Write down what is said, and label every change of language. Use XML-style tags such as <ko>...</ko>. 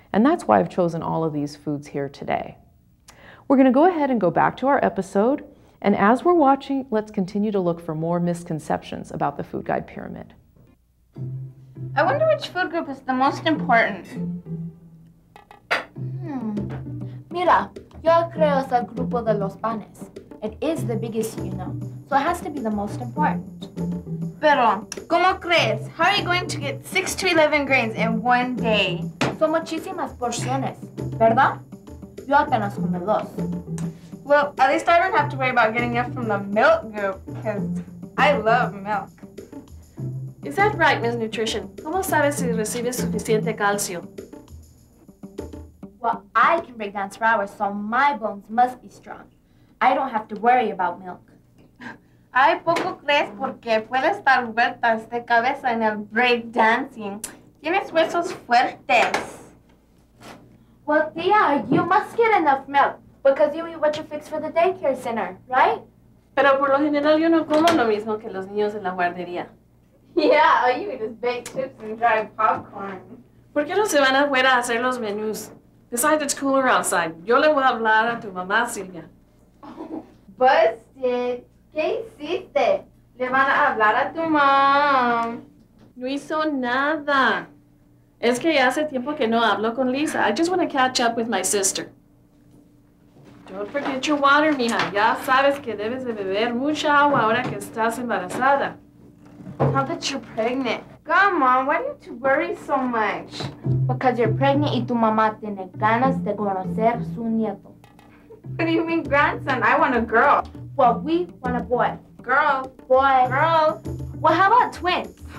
<en>And that's why I've chosen all of these foods here today. We're going to go ahead and go back to our episode. And as we're watching, let's continue to look for more misconceptions about the food guide pyramid. I wonder which food group is the most important.</en> <es>Mira, yo creo es el grupo de los panes.</es> <en>It is the biggest, you know, so it has to be the most important.</en> <es>Pero, ¿cómo crees?</es> <en>How are you going to get 6 to 11 grains in one day?</en> <es>Son muchísimas porciones, ¿verdad? Yo apenas como dos.</es> <en>Well, at least I don't have to worry about getting it from the milk group, because I love milk. Is that right, Ms. Nutrition?</en> <es>¿Cómo sabes si recibes suficiente calcio?</es> <en>Well, I can break dance for hours, so my bones must be strong. I don't have to worry about milk.</en> <es>Ay, poco crees porque puedes dar vueltas de cabeza en el break dancing. Tienes huesos fuertes.</es> <en>Well, Tia, you must get enough milk because you eat what you fix for the daycare center, right?</en> <es>Pero por lo general yo no como lo mismo que los niños en la guardería.</es> <en>Yeah, all you eat is baked chips and dried popcorn.</en> <es>¿Por qué no se van afuera a hacer los menús?</es> <en>Besides, it's cooler outside.</en> <es>Yo le voy a hablar a tu mamá, Silvia.</es> <en>Busted.</en> <es>¿Qué hiciste? Le van a hablar a tu mom. No hizo nada. Es que ya hace tiempo que no hablo con Lisa.</es> <en>I just want to catch up with my sister. Don't forget your water, mija.</en> <es>Ya sabes que debes de beber mucha agua ahora que estás embarazada.</es> <en>Now that you're pregnant. Come on, why do you have to worry so much? Because you're pregnant</en> <es>y tu mamá tiene ganas de conocer su nieto.</es> <en>What do you mean, grandson? I want a girl. Well, we want a boy. Girl. Boy. Girl. Well, how about twins?</en>